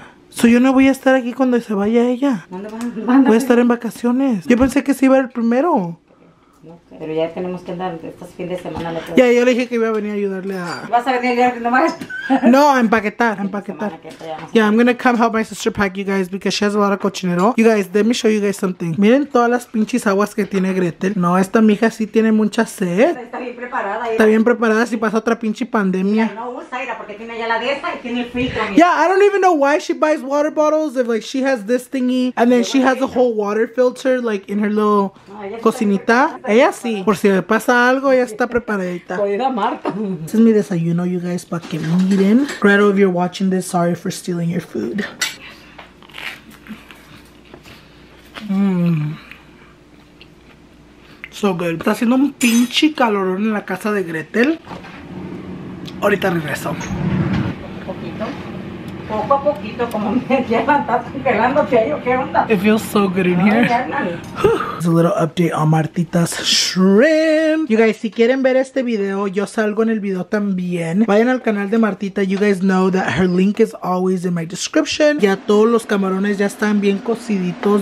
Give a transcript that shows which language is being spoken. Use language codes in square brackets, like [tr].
[es] So yo no voy a estar aquí cuando se vaya ella. ¿Dónde van? Voy a estar en vacaciones. Yo pensé que se iba el primero. No sé, pero ya tenemos que andar estos fines de semana. Ya, yo le dije que iba a venir a ayudarle a... ¿Vas a venir a ayudarle nomás? No, a empaquetar, a empaquetar. [en] Yeah, I'm gonna come help my sister pack, you guys, because she has a lot of cochinero. You guys, let me show you guys something. [es] Miren todas las pinches aguas que tiene Gretel. No, esta mija sí tiene mucha sed. Está bien preparada, ¿eh? Está bien preparada si pasa otra pinche pandemia. No usa, era porque tiene ya la de esa y tiene el filtro. [en] Yeah, I don't even know why she buys water bottles if, like, she has this thingy and then she has a whole water filter, like, in her little cocinita. [es] Ella sí. Por si le pasa algo, ella está preparadita. Oiga, Marta. Este es mi desayuno, [en] you guys, [es] para que mire. [en] Gretel, if you're watching this, sorry for stealing your food. So good. [es] Está haciendo un pinche calorón en la casa de Gretel. Ahorita regreso. Poco a poquito. Poco a poquito, como me levantas congelando, ¿qué onda? [en] It feels so good in here. There's a little update on Martita's shrimp. You guys, [es] si quieren ver este video, yo salgo en el video también. Vayan al canal de Martita. [en] You guys know that her link is always in my description. [es] Ya todos los camarones ya están bien cociditos.